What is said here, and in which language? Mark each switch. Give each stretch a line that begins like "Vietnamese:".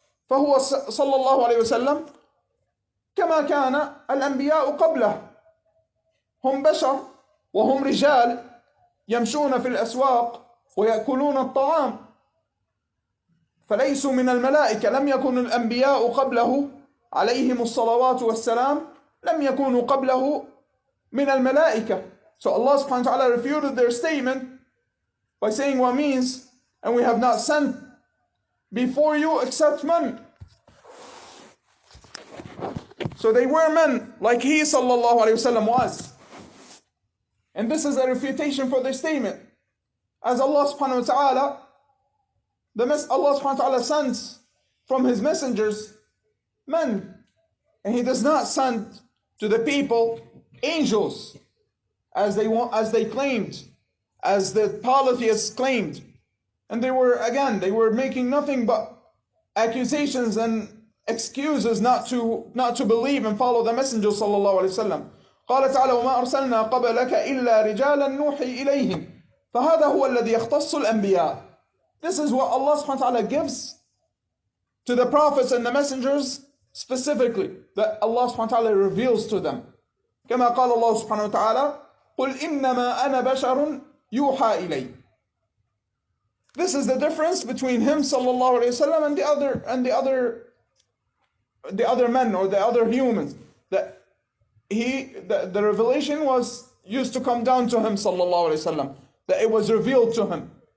Arabic: فهو صلى الله عليه وسلم كما كان الأنبياء قبله, هم بشر وهم رجال يمشون في الأسواق ويأكلون الطعام, فليسوا من الملائكة. لم يكن الأنبياء قبله عليهم الصلوات والسلام, لم يكونوا قبله من الملائكة.
English: So Allah subhanahu wa ta'ala refuted their statement by saying, what means, and we have not sent before you except men. So they were men like he sallallahu alayhi wa sallam was. And this is a refutation for their statement. As Allah subhanahu wa ta'ala, Allah subhanahu wa ta'ala sends from his messengers men, and he does not send to the people angels as they claimed, as the polytheists claimed. And they were making nothing but accusations and excuses not to believe and follow the Messenger sallallahu alaihi wasallam.
Arabic: قال تعالى وما أرسلنا قبلك إلا رجالا نوحي إليهم فهذا هو الذي يختص الأنبياء.
English: This is what Allah subhanahu wa ta'ala gives to the prophets and the messengers specifically, that Allah subhanahu wa ta'ala reveals to them.
Arabic: كما قال الله سبحانه وتعالى قل إنما أنا بشر يوحى إلي.
English: This is the difference between him sallallahu alaihi wasallam and the other men or the other humans, that the revelation was used to come down to him sallallahu alaihi wasallam, that it was revealed to him.